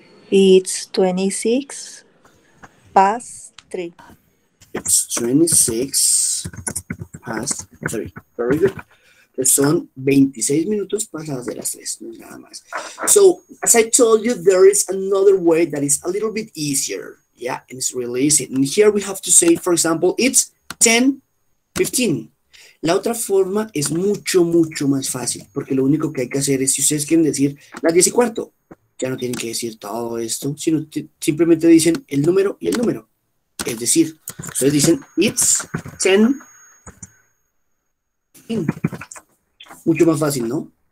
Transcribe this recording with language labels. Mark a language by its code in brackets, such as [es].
[en] It's 26 past 3. It's 26 past 3. Very good. [es] Son 26 minutos pasadas de las 3, no es nada más. [en] So, as I told you, there is another way that is a little bit easier. Yeah, and it's really easy. And here we have to say, for example, it's 10:15. [es] La otra forma es mucho, mucho más fácil, porque lo único que hay que hacer es, si ustedes quieren decir las 10:15, ya no tienen que decir todo esto, sino simplemente dicen el número y el número. Es decir, ustedes dicen, [en] it's 10:15. [es] Mucho más fácil, ¿no?